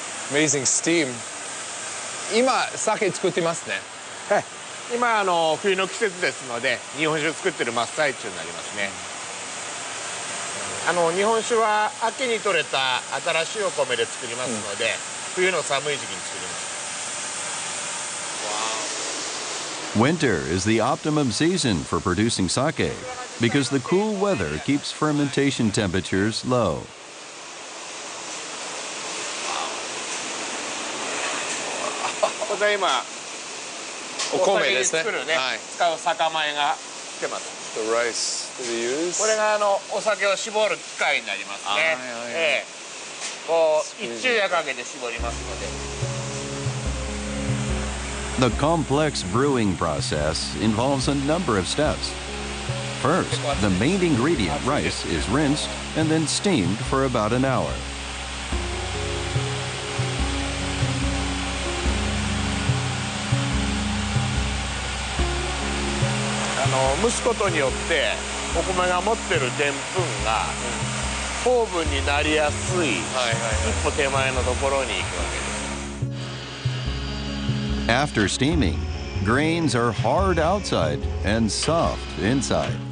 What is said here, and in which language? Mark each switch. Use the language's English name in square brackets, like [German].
[English] Amazing steam. [Japanese] 今、酒作ってますね。今あの冬の季節ですので日本酒を作ってる真っ最中になりますね。あの日本酒は秋に取れた新しいお米で作りますので、うん、冬の寒い時期に作ります。 [English] Winter is the optimum season for producing sake because the cool weather keeps fermentation temperatures low. [Japanese] お米ですね。お酒に作るね、はい、使う酒米が来てます。 [English] The rice that we use. [Japanese] これがあのお酒を絞る機械になりますね。はいはいはい、こう一昼夜かけて絞りますので。 [English] The complex brewing process involves a number of steps. First, the main ingredient, rice, is rinsed and then steamed for about an hour. [Japanese] 蒸すことによってお米が持ってるでんぷんが糖分になりやすい一歩手前のところに行くわけです。 [English] After steaming, grains are hard outside and soft inside.